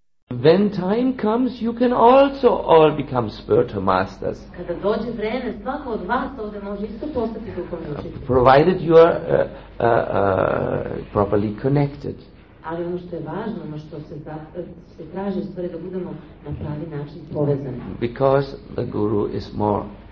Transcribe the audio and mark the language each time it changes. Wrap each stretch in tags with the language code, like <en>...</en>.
<en>When time comes, you can also all become spiritual masters.</en> <sr>Kada dođe vreme, svako od vas ovde može isto postati duhovni učitelj.</sr> <en>Provided you are properly connected.</en> <sr>Ali ono što je važno, ono što se traži, stvari da budemo na pravi način povezani.</sr> <en>Because the guru is more.</en>